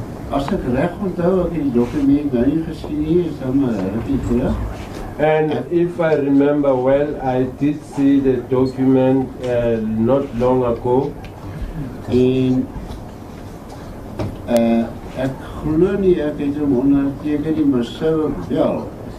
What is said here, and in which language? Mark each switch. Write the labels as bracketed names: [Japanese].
[Afrikaans] As ek reg onthou, ek het die dokument nou nie gesien nie, is hom 'n rukkie terug. [English] And if I remember well, I did see the document not long ago. [Afrikaans] En ek glo nie ek het hom onderteken nie, maar sou ek wel.